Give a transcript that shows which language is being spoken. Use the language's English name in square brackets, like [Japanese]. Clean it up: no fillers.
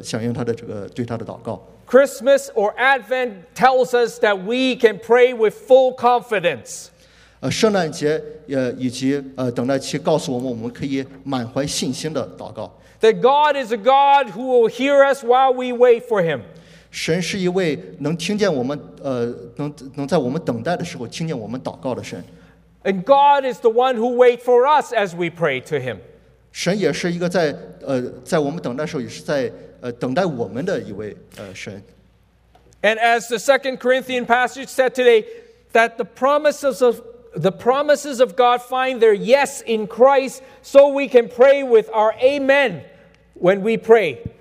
[Chinese] 我们是永远都猜不到神会将他的儿子放在马槽的这个方式来去响应他的对他的祷告。Christmas [English] or Advent tells us that we can pray with full confidence. [Chinese] 圣诞节以及等待期告诉我们，我们可以满怀信心的祷告。 [English] That God is a God who will hear us while we wait for Him. [Chinese] 神是一位能听见我们，能在我们等待的时候听见我们祷告的神。 [English] And God is the one who waits for us as we pray to Him. [Chinese] 神也是一个在我们等待的时候也是在等待我们的一位神。 [English] And as the 2 Corinthians passage said today, that the promises of God find their yes in Christ, so we can pray with our amen when we pray.